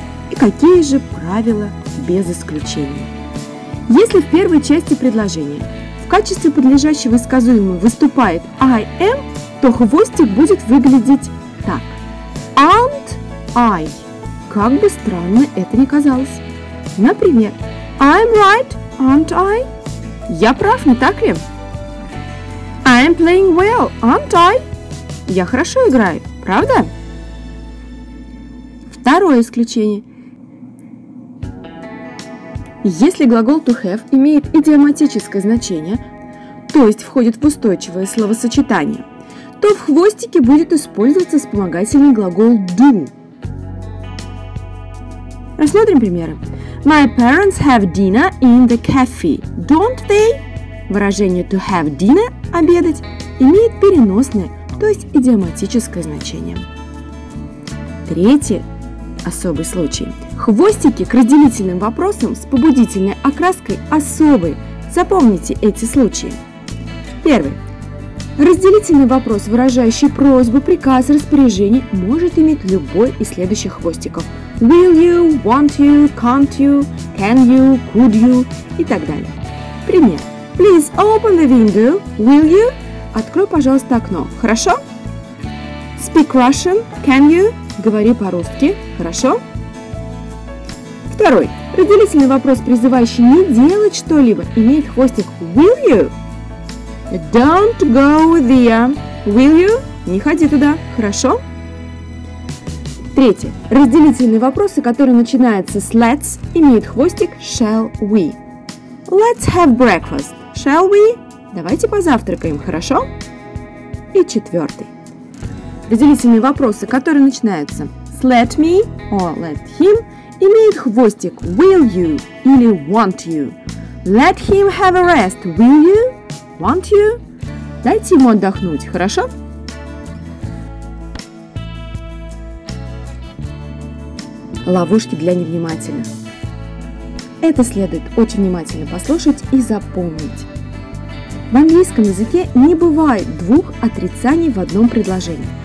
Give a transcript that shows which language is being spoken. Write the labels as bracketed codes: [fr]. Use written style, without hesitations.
[ru] И какие же правила без исключения? Если в первой части предложения в качестве подлежащего и сказуемого выступает [en] I am, [ru] то хвостик будет выглядеть так. [en] Aren't I? [ru] Как бы странно это ни казалось. Например, [en] I'm right, aren't I? [ru] Я прав, не так ли? [en] I'm playing well, aren't I? [ru] Я хорошо играю, правда? Второе исключение. Если глагол [en] to have [ru] имеет идиоматическое значение, то есть входит в устойчивое словосочетание, то в хвостике будет использоваться вспомогательный глагол do. Рассмотрим примеры. [en] My parents have dinner in the cafe, don't they? [ru] Выражение [en] to have dinner, [ru] обедать, имеет переносное, то есть идиоматическое значение. Третий особый случай. Хвостики к разделительным вопросам с побудительной окраской особы. Запомните эти случаи. Первый. Разделительный вопрос, выражающий просьбу, приказ, распоряжение, может иметь любой из следующих хвостиков. [en] Will you, want you, can't you, can you, could you [ru] и так далее. Пример. [en] Please open the window, will you? [ru] Открой, пожалуйста, окно. Хорошо? [en] Speak Russian, can you? [ru] Говори по-русски. Хорошо? Второй. Разделительный вопрос, призывающий не делать что-либо, имеет хвостик [en] will you? Don't go there, will you? [ru] Не ходи туда, хорошо? Третье. Разделительные вопросы, которые начинаются с let's, имеют хвостик [en] shall we? Let's have breakfast, shall we? [ru] Давайте позавтракаем, хорошо? И четвертый. Разделительные вопросы, которые начинаются с [en] let me or let him, [ru] имеют хвостик [en] will you [ru] или [en] want you? Let him have a rest, will you? Want you? [ru] Дайте ему отдохнуть, хорошо? Ловушки для невнимательных. Это следует очень внимательно послушать и запомнить. В английском языке не бывает двух отрицаний в одном предложении.